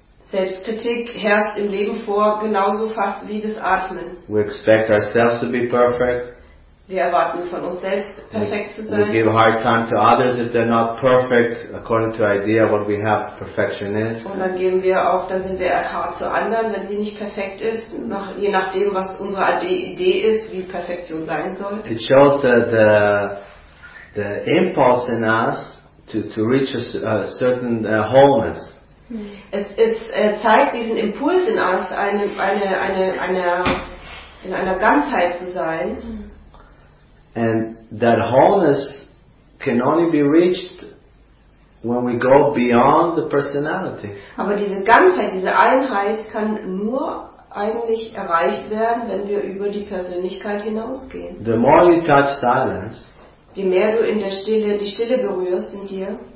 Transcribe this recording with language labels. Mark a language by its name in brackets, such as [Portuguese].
[German] Selbstkritik herrscht im Leben vor, genauso fast wie das Atmen. [English] We expect ourselves to be perfect. [German] Wir erwarten von uns selbst, perfekt zu sein. [English] We give a hard time to others if they're not perfect, according to the idea what we have perfection is. [German] Und dann geben wir auch, dann sind wir hart zu anderen, wenn sie nicht perfekt ist, je nachdem, was unsere Idee ist, wie Perfektion sein soll. [English] It shows the impulse in us to reach a certain wholeness. [German] Es zeigt diesen Impuls in uns, in einer Ganzheit zu sein. [English] And that wholeness can only be reached when we go beyond the personality. [German] Aber diese Ganzheit, diese Einheit kann nur eigentlich erreicht werden, wenn wir über die Persönlichkeit hinausgehen. [English] The more you touch silence, [German] je mehr du in der Stille die Stille berührst in dir,